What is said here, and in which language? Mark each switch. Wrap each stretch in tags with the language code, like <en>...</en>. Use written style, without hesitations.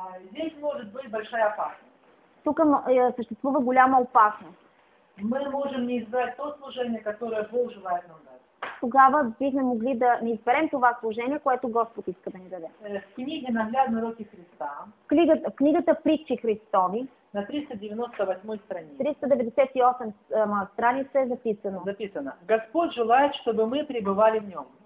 <ru>Здесь может быть большая опасность.</ru> <bg>Тук съществува голяма опасност.</bg> <ru>Мы можем не избрать то служение, которое Бог желает нам дать.</ru> <bg>Тогава бихме могли да не изберем това служение, което Господ иска да ни даде.</bg> <ru>В книге «Наглядные уроки Христа»,</ru> <bg>в книгата «Притчи Христови»,</bg> <ru>на 398 страница,</ru> <bg>398 страница е записано.</bg> <ru>Господь желает, чтобы мы пребывали в Нем.</ru>